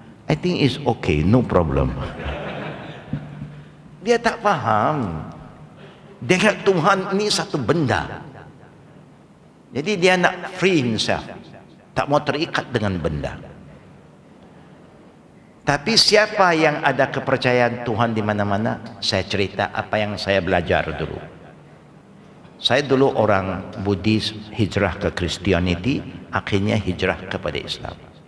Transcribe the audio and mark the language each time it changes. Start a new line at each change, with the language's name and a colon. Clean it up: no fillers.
English: I think it's okay, no problem.
Malay: Dia tak faham. Dengan Tuhan ini satu benda. Jadi dia nak
English: free himself.
Malay: Tak mau terikat dengan benda. Tapi siapa yang ada kepercayaan Tuhan di mana-mana? Saya cerita apa yang saya belajar dulu. Saya dulu orang Buddhis, hijrah ke Christianity, akhirnya hijrah kepada Islam.